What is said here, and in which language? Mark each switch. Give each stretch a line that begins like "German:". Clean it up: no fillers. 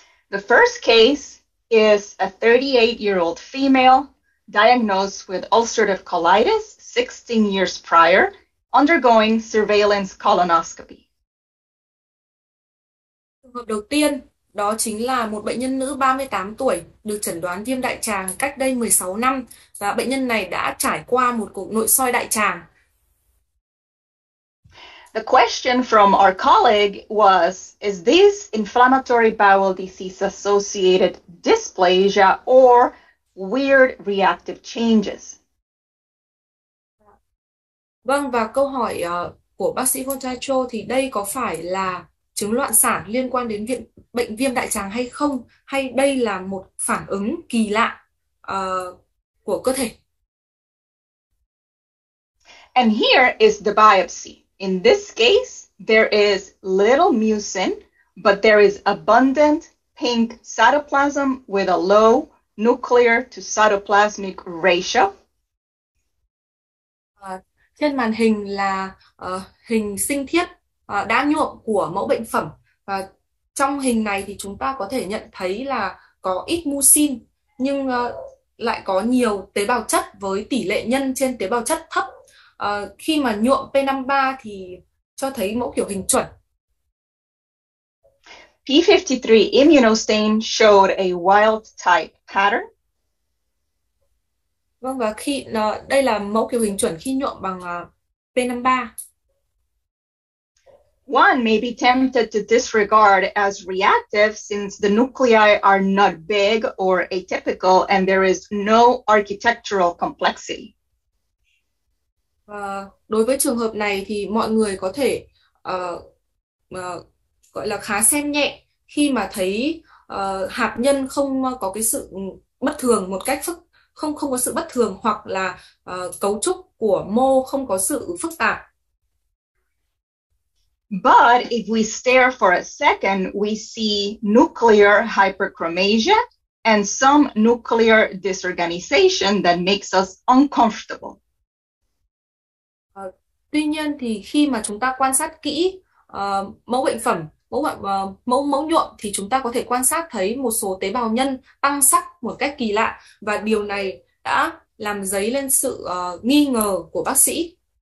English: The first case is a 38-year-old female diagnosed with ulcerative colitis 16 years prior, undergoing surveillance colonoscopy.
Vietnamese: Trường hợp đầu tiên đó chính là một bệnh nhân nữ 38 tuổi được chẩn đoán viêm đại tràng cách đây 16 năm, và bệnh nhân này đã trải qua một cuộc nội soi đại tràng.
English: The question from our colleague was, is this inflammatory bowel disease associated dysplasia or weird reactive changes?
Vietnamese: Vâng, và câu hỏi của bác sĩ Hotacho thì đây có phải là chứng loạn sản liên quan đến bệnh viêm đại tràng hay không, hay đây là một phản ứng kỳ lạ của cơ thể?
English: And here is the biopsy. In this case, there is little mucin, but there is abundant pink cytoplasm with a low nuclear to cytoplasmic ratio.
Vietnamese: Trên màn hình là hình sinh thiết đã nhuộm của mẫu bệnh phẩm, và trong hình này thì chúng ta có thể nhận thấy là có ít mucin nhưng lại có nhiều tế bào chất với tỷ lệ nhân trên tế bào chất thấp. Khi mà nhuộm P53 thì cho thấy mẫu kiểu hình chuẩn.
English: P53 immunostain showed a wild type pattern.
Vietnamese: Vâng, và khi đây là mẫu kiểu hình chuẩn khi nhuộm bằng P53.
English: One may be tempted to disregard as reactive since the nuclei are not big or atypical and there is no architectural complexity.
Vietnamese: Và đối với trường hợp này thì mọi người có thể gọi là khá xem nhẹ khi mà thấy hạt nhân không có cái sự bất thường một cách phức không không có sự bất thường, hoặc là cấu trúc của mô không có sự phức tạp.
English: But if we stare for a second, we see nuclear hyperchromasia and some nuclear disorganization that makes us uncomfortable.
Vietnamese: Tuy nhiên thì khi mà chúng ta quan sát kỹ mẫu bệnh phẩm, mẫu mẫu nhuộm thì chúng ta có thể quan sát thấy một số tế bào nhân tăng sắc một cách kỳ lạ, và điều này đã làm dấy lên sự nghi ngờ của bác sĩ.